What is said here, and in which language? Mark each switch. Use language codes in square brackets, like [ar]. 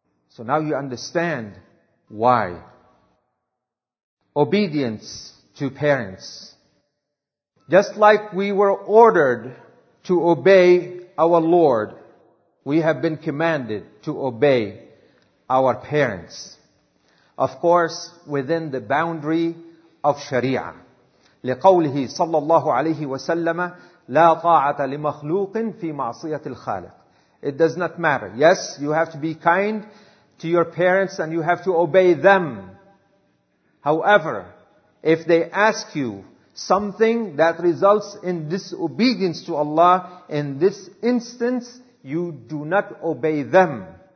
[en] So now you understand why. Obedience to parents. Just like we were ordered to obey our Lord, we have been commanded to obey our parents. Of course, within the boundary of Sharia. [ar] لقوله صلى الله عليه وسلم لا طاعة لمخلوق في معصية الخالق. [en] It does not matter. Yes, you have to be kind to your parents and you have to obey them. However, if they ask you something that results in disobedience to Allah, in this instance, you do not obey them.